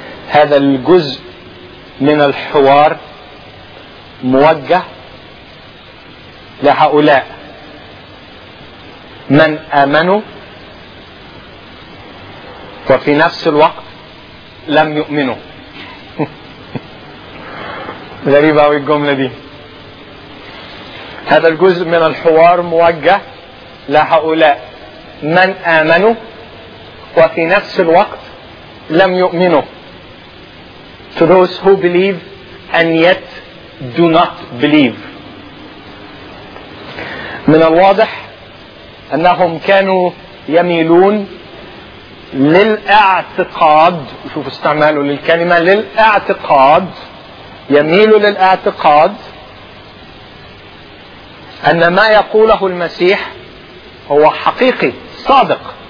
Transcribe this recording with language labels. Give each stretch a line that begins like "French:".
Arabic: هذا الجزء من الحوار موجه لهؤلاء من آمنوا وفي نفس الوقت لم يؤمنوا. غريبة أوي الجملة دي. هذا الجزء من الحوار موجه لهؤلاء من آمنوا وفي نفس الوقت لم يؤمنوا.
English: To those who believe and yet do not believe.
Arabic: من الواضح أنهم كانوا يميلون للاعتقاد، شوفوا استعمالوا للكلمة للاعتقاد، يميلوا للاعتقاد أن ما يقوله المسيح هو حقيقي صادق.